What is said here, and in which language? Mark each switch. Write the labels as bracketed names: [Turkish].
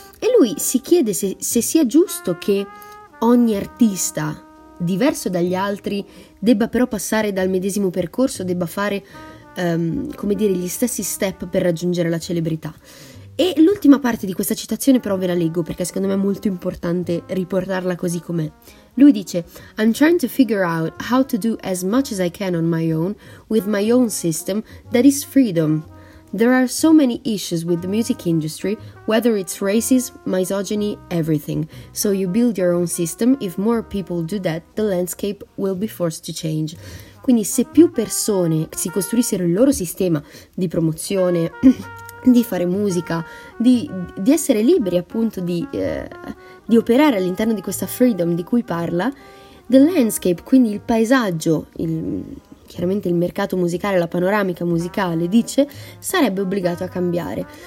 [Italian] E lui si chiede se sia giusto che ogni artista, diverso dagli altri, debba però passare dal medesimo percorso, debba fare, come dire, gli stessi step per raggiungere la celebrità. E l'ultima parte di questa citazione però ve la leggo, perché secondo me è molto importante riportarla così com'è. Lui dice: [English] I'm trying to figure out how to do as much as I can on my own, with my own system, that is freedom. There are so many issues with the music industry, whether it's racism, misogyny, everything. So you build your own system. If more people do that, the landscape will be forced to change. [Italian] Quindi se più persone si costruissero il loro sistema di promozione, di fare musica, di essere liberi appunto di operare all'interno di questa freedom di cui parla, [English] the landscape, [Italian] quindi il paesaggio, chiaramente il mercato musicale, la panoramica musicale, dice, sarebbe obbligato a cambiare.